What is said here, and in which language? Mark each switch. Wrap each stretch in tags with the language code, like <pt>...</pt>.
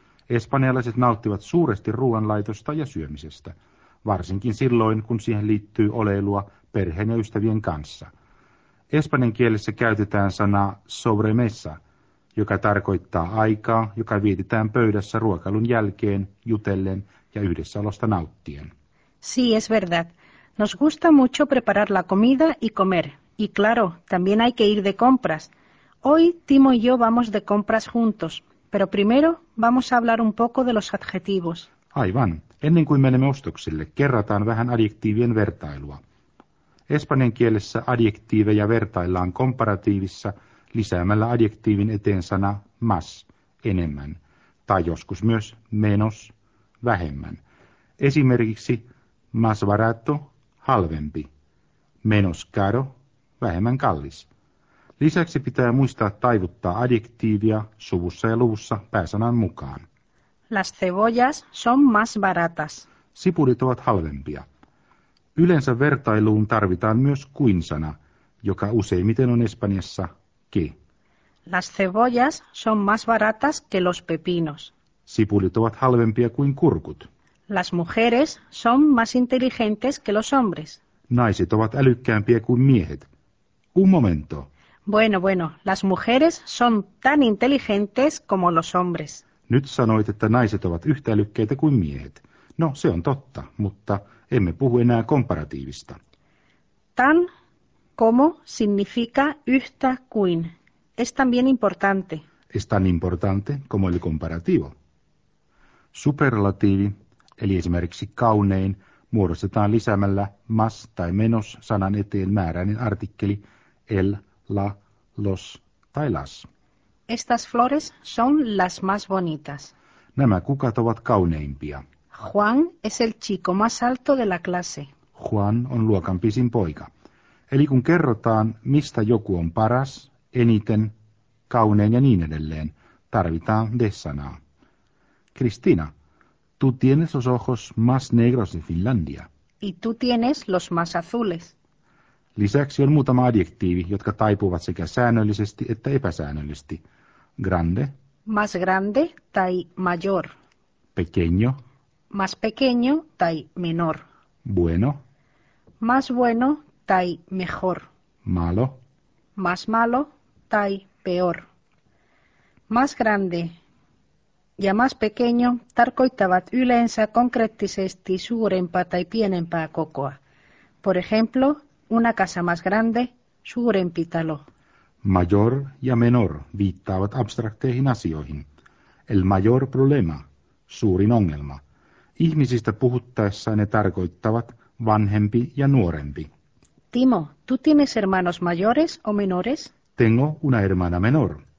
<fi>Espanjalaiset nauttivat suuresti ruoanlaitosta ja syömisestä, varsinkin silloin, kun siihen liittyy oleilua perheen ja ystävien kanssa. Espanjan kielessä käytetään sanaa sobremesa, joka tarkoittaa aikaa, joka vietetään pöydässä ruokailun jälkeen, jutellen ja yhdessäolosta nauttien.</fi> <es>Sí, es verdad. Nos gusta mucho preparar la comida y comer. Y claro, también hay que ir de compras. Hoy Timo y yo vamos de compras juntos, pero primero vamos a hablar un poco de los adjetivos.</es> <fi>Aivan. Ennen kuin menemme ostoksille, kerrataan vähän adjektiivien vertailua. Espanjan kielessä adjektiiveja vertaillaan komparatiivissa lisäämällä adjektiivin eteen sana más, enemmän, tai joskus myös menos, vähemmän. Esimerkiksi</fi> <es>más barato,</es> <fi>halvempi,</fi> <es>menos caro,</es> <fi>vähemmän kallis. Lisäksi pitää muistaa taivuttaa adjektiivia suvussa ja luvussa pääsanan mukaan.</fi> <es>Las cebollas son más baratas.</es> <fi>Sipulit ovat halvempia. Yleensä vertailuun tarvitaan myös kuin-sana, joka useimmiten on Espanjassa que.</fi> <es>Las cebollas son más baratas que los pepinos.</es> <fi>Sipulit ovat halvempia kuin kurkut.</fi> <es>Las mujeres son más inteligentes que los hombres.</es> <fi>Naiset ovat älykkäämpiä kuin miehet.</fi> <es>Un momento. Bueno, las mujeres son tan inteligentes como los hombres.</es> <fi>Nyt sanoit, että naiset ovat yhtä älykkäitä kuin miehet. No, se on totta, mutta emme puhu enää komparatiivista.</fi> <es>Tan, como, significa</es> <fi>yhtä kuin.</fi> <es>Es también importante. Es tan importante como el comparativo.</es> <fi>Superlatiivi, eli esimerkiksi kaunein, muodostetaan lisäämällä más tai menos sanan eteen määräinen artikkeli el, la, los tai las.</fi> <es>Estas flores son las más bonitas.</es> <fi>Nämä kukat ovat kauneimpia.</fi> <es>Juan es el chico más alto de la clase.</es> <fi>Juan on luokan pisin poika. Eli kun kerrotaan, mistä joku on paras, eniten, kaunein ja niin edelleen, tarvitaan de-sanaa.</fi> <es>Kristiina, tú tienes los ojos más negros de Finlandia. Y tú tienes los más azules.</es> <fi>Lisäksi on muutama adjektiivi, jotka taipuvat sekä säännöllisesti että epäsäännöllisesti.</fi> <es>Grande. Más grande tai mayor. Pequeño. Más pequeño tai menor. Bueno. Más bueno tai mejor. Malo. Más malo tai peor.</es> <fi>Más grande ja más pequeño tarkoittavat yleensä konkreettisesti suurempaa tai pienempää kokoa.</fi> <es>Por ejemplo, una casa más grande,</es> <fi>suurempi talo. Mayor ja menor viittaavat abstrakteihin asioihin.</fi> <es>El mayor problema,</es> <fi>suurin ongelma. Ihmisistä puhuttaessa ne tarkoittavat vanhempi ja nuorempi.</fi> <es>Timo, ¿tú tienes hermanos mayores o menores? Tengo una hermana menor.</es>